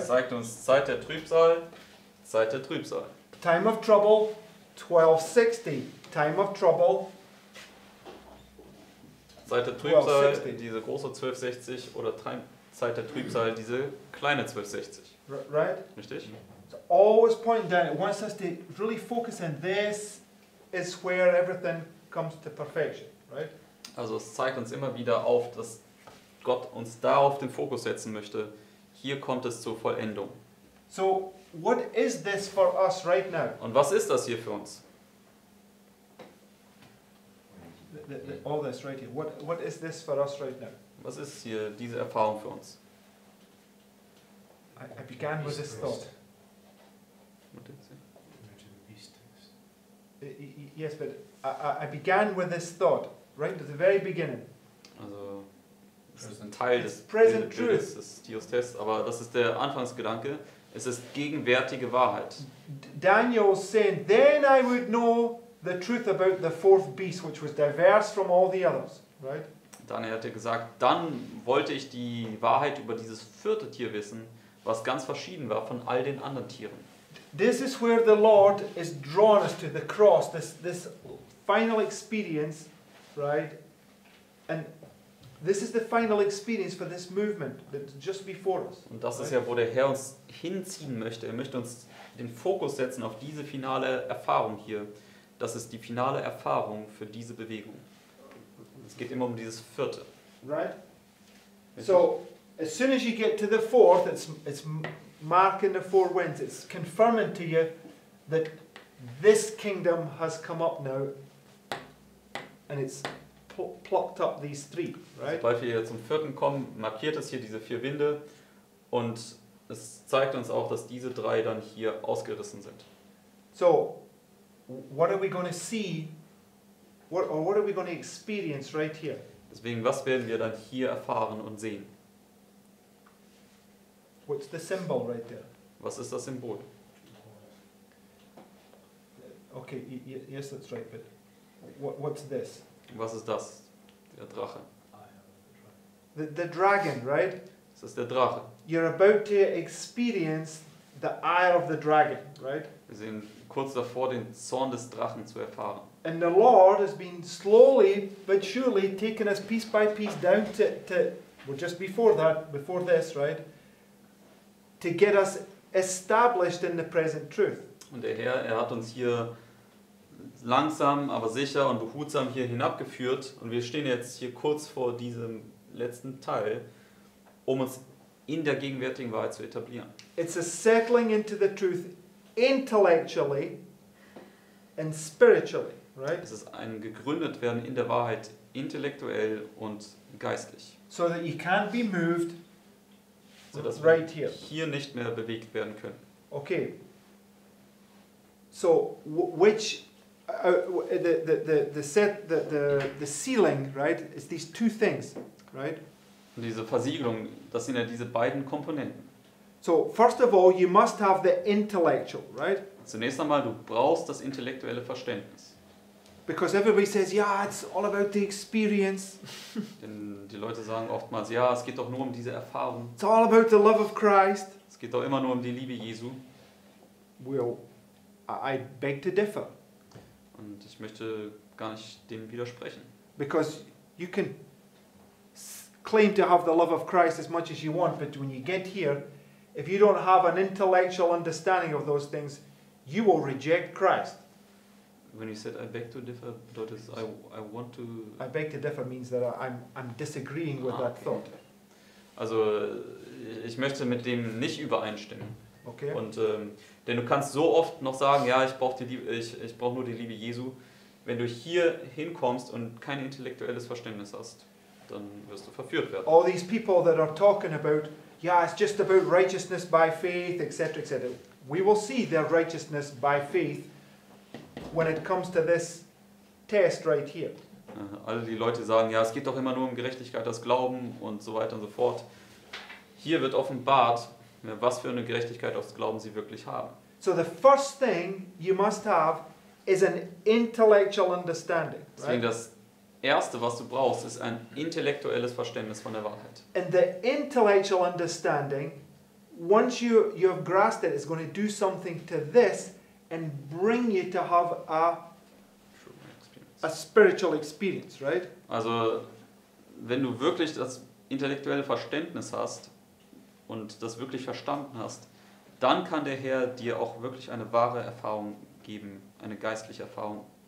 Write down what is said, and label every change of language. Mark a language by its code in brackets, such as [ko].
[de] Das zeigt uns Zeit der Trübsal, Zeit der Trübsal. [en] Time of trouble, 1260. Time of trouble, [de] Zeit der Trübsal, diese große 1260 oder Zeit der Trübsal, diese kleine 1260. [en] Right? [de] Richtig? [en] So always pointing down, it wants us to really focus on this is where everything comes to perfection, right? [de] Also es zeigt uns immer wieder auf, dass Gott uns darauf den Fokus setzen möchte. Hier kommt es zur Vollendung. [en] So, what is this for us right now? [de] Und was ist das hier für uns? [en] All this right here. What is this for us right now? [de] Was ist hier diese Erfahrung für uns? [en] I began with this thought. What did you say? Yes, but I began with this thought. Right at the very beginning. [de] Also, es ist ein Teil des Bildes des Diostes, aber das ist der Anfangsgedanke. Es ist gegenwärtige Wahrheit. [en] Daniel said, then I would know the truth about the fourth beast, which was diverse from all the others. Right? [de] Daniel hatte gesagt, dann wollte ich die Wahrheit über dieses vierte Tier wissen, was ganz verschieden war von all den anderen Tieren. [en] This is where the Lord is drawing us to the cross, this final experience. Right, and this is the final experience for this movement that's just before us. [de] Und das ist ja, wo der Herr uns hinziehen möchte. Er möchte uns den Fokus setzen auf diese finale Erfahrung hier. Das ist die finale Erfahrung für diese Bewegung. Es geht immer um dieses vierte. [en] Right. So as soon as you get to the fourth, it's marking the four winds. It's confirming to you that this kingdom has come up now. And it's plucked up these three, right? [de] Sobald wir hier zum vierten kommen, markiert es hier diese vier Winde und es zeigt uns auch, dass diese drei dann hier ausgerissen sind. [en] So, what are we going to see, what are we going to experience right here? [de] Deswegen, was werden wir dann hier erfahren und sehen? [en] What's the symbol right there? [de] Was ist das Symbol? [en] Okay, yes, that's right, but what's this? [de] Was ist das? Der Drache. [en] The dragon, right? [de] Das ist der Drache. [en] You're about to experience the ire of the dragon, right? [de] Wir sind kurz davor, den Zorn des Drachen zu erfahren. [en] And the Lord has been slowly but surely taking us piece by piece down to well, just before that, before this, right? To get us established in the present truth. [de] Und der Herr, er hat uns hier langsam, aber sicher und behutsam hier hinabgeführt und wir stehen jetzt hier kurz vor diesem letzten Teil, um uns in der gegenwärtigen Wahrheit zu etablieren. [en] It's a settling into the truth intellectually and spiritually, right? [de] Es ist ein gegründet werden in der Wahrheit intellektuell und geistlich. [en] So that you can't be moved [de] so dass right wir hier nicht mehr bewegt werden können. [en] Okay. So which the sealing, right? Is these two things, right? [de] Und diese Versiegelung, das sind ja diese beiden Komponenten. [en] So first of all, you must have the intellectual, right? [de] Zunächst einmal, du brauchst das intellektuelle Verständnis. [en] Because everybody says, yeah, it's all about the experience. [de] Denn die Leute sagen oftmals, ja, es geht doch nur um diese Erfahrung. [en] It's all about the love of Christ. [de] Es geht doch immer nur um die Liebe Jesu. [en] Well, I beg to differ. [de] Und ich möchte gar nicht dem widersprechen. [en] Because you can claim to have the love of Christ as much as you want, but when you get here, if you don't have an intellectual understanding of those things, you will reject Christ. When you said I beg to differ, that is I want to. I beg to differ means that I'm disagreeing with that thought. [de] Also, ich möchte mit dem nicht übereinstimmen. Okay. Und denn du kannst so oft noch sagen, ja, ich brauche nur die Liebe Jesu. Wenn du hier hinkommst und kein intellektuelles Verständnis hast, dann wirst du verführt werden. [en] All these people that are talking about, yeah, it's just about righteousness by faith, etc., etc. We will see their righteousness by faith when it comes to this test right here. [de] Alle die Leute sagen, ja, es geht doch immer nur um Gerechtigkeit, das Glauben und so weiter und so fort. Hier wird offenbart, was für eine Gerechtigkeit aus Glauben sie wirklich haben. [en] So the first thing you must have is an intellectual understanding. [de] Deswegen das erste, was du brauchst, ist ein intellektuelles Verständnis von der Wahrheit. [en] And the intellectual understanding, once you have grasped it, is going to do something to this and bring you to have a spiritual experience, right? [de] Also, wenn du wirklich das intellektuelle Verständnis hast und das wirklich verstanden hast, dann kann der Herr dir auch wirklich eine wahre Erfahrung geben, eine geistliche Erfahrung,